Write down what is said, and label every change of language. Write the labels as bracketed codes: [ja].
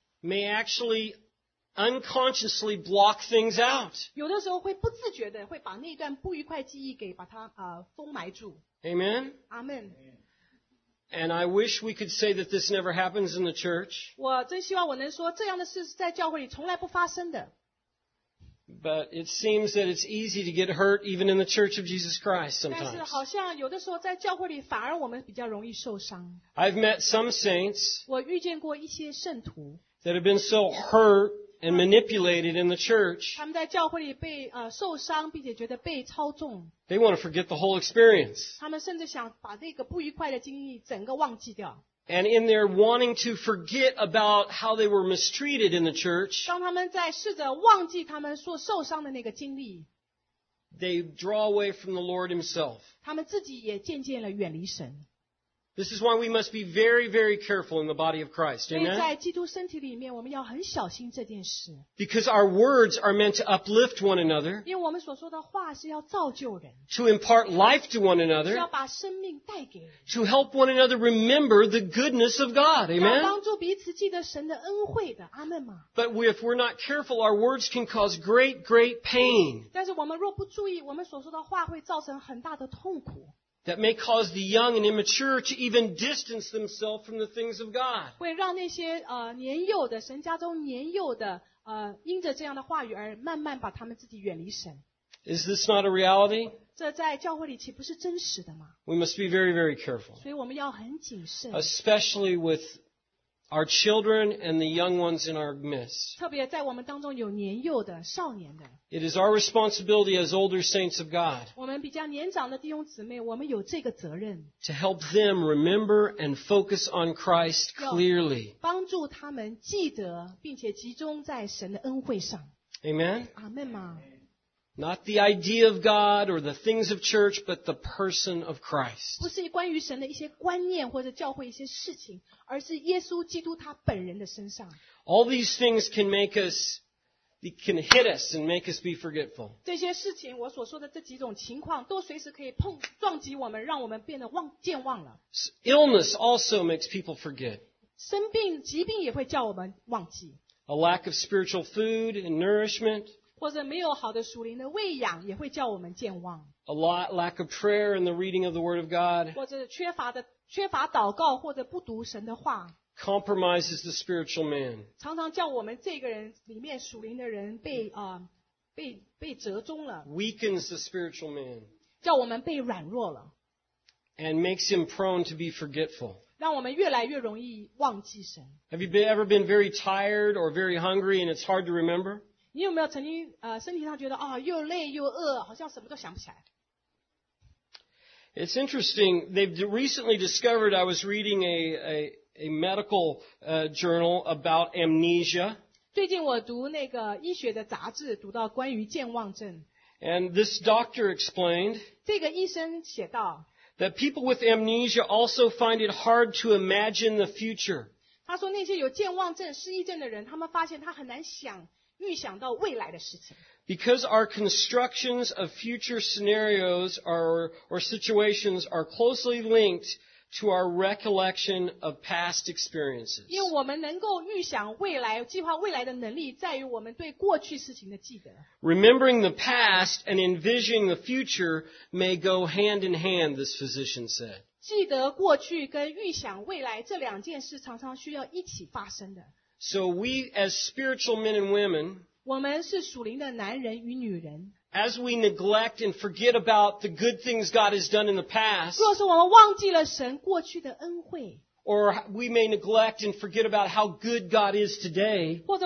[en] ，may actually. Unconsciously block things out. [zh] 有的时候会不自觉的会把那段不愉快记忆给把它封埋住。 [en] Amen. Amen. And I wish we could say that this never happens in the church. [zh] 我真希望我能说这样的事在教会里从来不发生的。 [en] But it seems that it's easy to get hurt even in the Church of Jesus Christ sometimes. [zh] 但是好像有的时候在教会里反而我们比较容易受伤。 [en] I've met some saints. [zh] 我遇见过一些圣徒 [en] that have been so hurt. And manipulated in the church. [zh] 他们在教会里被受伤，并且觉得被操纵。 [en] They want to forget the whole experience. [zh] 他们甚至想把这个不愉快的经历整个忘记掉。 [en] And in their wanting to forget about how they were mistreated in the church. [zh] 当他们在试着忘记他们所受伤的那个经历。 [en] They draw away from the Lord Himself. [zh] 他们自己也渐渐地远离神。 [en] This is why we must be very, very careful in the body of Christ. Amen. [zh] 所以在基督身体里面，我们要很小心这件事。 [en] Because our words are meant to uplift one another. [zh] 因为我们所说的话是要造就人。 [en] To impart life to one another. [zh] 是要把生命带给人。 [en] To help one another remember the goodness of God. Amen. [zh] 要帮助彼此记得神的恩惠的。阿门吗？ [en] But if we're not careful, our words can cause great, great pain. [zh] 但是我们若不注意，我们所说的话会造成很大的痛苦。 [en] That may cause the young and immature to even distance themselves from the things of God. [zh] 会让那些年幼的神家中年幼的因着这样的话语而慢慢把他们自己远离神。 [en] Is this not a reality? [zh] 这在教会里岂不是真实的吗？ [en] We must be very, very careful. [zh] 所以我们要很谨慎。 [en] Especially with our children and the young ones in our midst. [zh] 特别在我们当中有年幼的、少年的。 [en] It is our responsibility as older saints of God. [zh] 我们比较年长的弟兄姊妹，我们有这个责任。 [en] To help them remember and focus on Christ clearly. [zh] 帮助他们记得，并且集中在神的恩惠上。 [en] Amen. [zh] 阿门吗？ [en] Not the idea of God or the things of church, but the person of Christ. [zh] 不是关于神的一些观念或者教会一些事情，而是耶稣基督他本人的身上。 [en] All these things can make us. It can hit us and make us be forgetful. [zh] 这些事情我所说的这几种情况都随时可以碰撞击我们让我们变得健忘了。 [en] Illness also makes people forget. [zh] 生病疾病也会叫我们忘记。 [en] A lack of spiritual food and nourishment. [zh] 或者没有好的属灵的喂养也会叫我们健忘。 [en] A lack of prayer and the reading of the word of God. [zh] 或者缺乏祷告或者不读神的话。 [en] Compromises the spiritual man. [zh] 常常叫我们这个人里面属灵的人被折中了。 [en] Weakens the spiritual man. [zh] 叫我们被软弱了。 [en] And makes him prone to be forgetful. [zh] 让我们越来越容易忘记神。 [en] Have you ever been very tired or very hungry and it's hard to remember? [zh] 你有没有曾经身体上觉得又累又饿，好像什么都想不起来？ [en] It's interesting. They've recently discovered. I was reading a medical journal about amnesia. [zh] 最近我读那个医学的杂志，读到关于健忘症。 [en] And this doctor explained. [zh] 这个医生写道。 [en] That people with amnesia also find it hard to imagine the future. [zh] 他说那些有健忘症、失忆症的人，他们发现他很难预想到未来的事情。 [en] Because our constructions of future scenarios or situations are closely linked to our recollection of past experiences. [zh] 因为我们能够预想未来、计划未来的能力在于我们对过去事情的记得。 [en] Remembering the past and envisioning the future may go hand in hand, this physician said. [zh] 记得过去跟预想未来这两件事常常需要一起发生的。 [en] So we as spiritual men and women, [zh] 我们是属灵的男人与女人。 [en] As we neglect and forget about the good things God has done in the past, [zh] 若是我们忘记了神过去的恩惠， [en] Or we may neglect and forget about how good God is today.